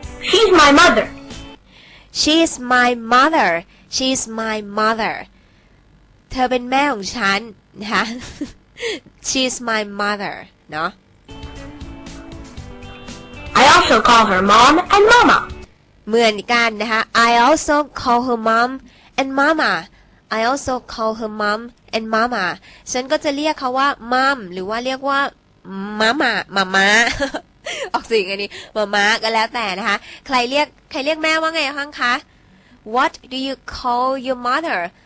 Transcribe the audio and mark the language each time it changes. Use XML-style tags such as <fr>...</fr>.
<en>She's my mother She's my mother She's my mother</en> <th>เธอเป็นแม่ของฉันนะคะ</th> <en>She's my mother, no? I also call her mom and mama.</en> <th>เหมือนกันนะคะ</th> <en>I also call her mom and mama. I also call her mom and mama.</en> <th>ฉันก็จะเรียกเขาว่า mom หรือว่าเรียกว่า mama mama ออกเสียงอันนี้ mama ก็แล้วแต่นะคะใครเรียกแม่ว่าไงคะคะ</th> <en>What do you call your mother?</en>